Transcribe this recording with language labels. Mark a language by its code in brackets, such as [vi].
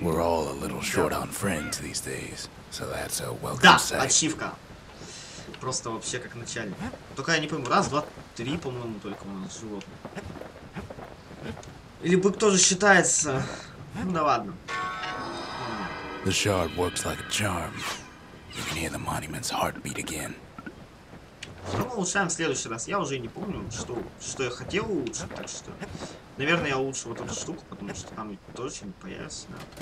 [en] We're all a little short on friends these days, so that's a welcome sight. [ru] Да, ачивка. Просто вообще как начальник. Только я не помню, раз, два, три, по-моему, только у нас животных. Или бык тоже считается... Ну да ладно. [en] The shard works like a charm. You can hear the monument's heartbeat again. [ru] Ну, улучшаем в следующий раз. Я уже не помню, что я хотел улучшить, так что... Наверное, я улучшу вот эту штуку, потому что там тоже что-нибудь появится, да.